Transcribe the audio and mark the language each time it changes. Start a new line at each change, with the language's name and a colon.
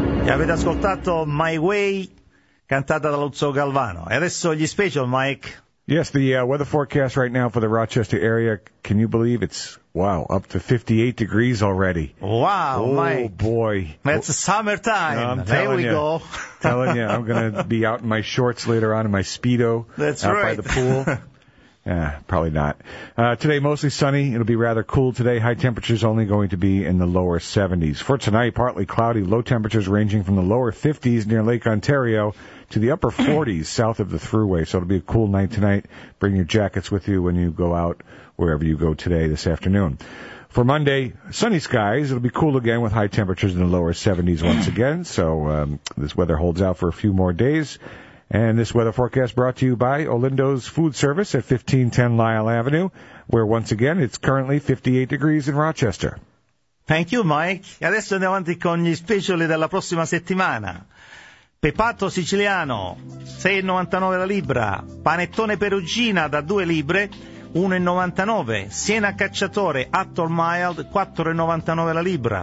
Italian: Avete ascoltato My Way, cantata da Luzzo Galvano. E adesso gli special, Mike.
English: Yes, the weather forecast right now for the Rochester area, can you believe it's, wow, up to 58 degrees already. Wow, oh, Mike. Oh, boy. It's summertime. No, I'm telling you. There we go. telling you, I'm going to be out in my shorts later on in my Speedo. That's out right. By the pool. Yeah, probably not. Today, mostly sunny. It'll be rather cool today. High temperatures only going to be in the lower 70s. For tonight, partly cloudy. Low temperatures ranging from the lower 50s near Lake Ontario to the upper 40s south of the thruway. So it'll be a cool night tonight. Bring your jackets with you when you go out wherever you go today this afternoon. For Monday, sunny skies. It'll be cool again with high temperatures in the lower 70s once again. So this weather holds out for a few more days. And this weather forecast brought to you by Olindo's Food Service at 1510 Lyle Avenue, where once again it's currently 58 degrees in Rochester. Thank you, Mike.
Italian: Adesso andiamo avanti con gli speciali della prossima settimana. Pepato siciliano, 6,99 la libra. Panettone perugina da 2 libre, 1,99. Siena cacciatore, Attor Mild, 4,99 la libra.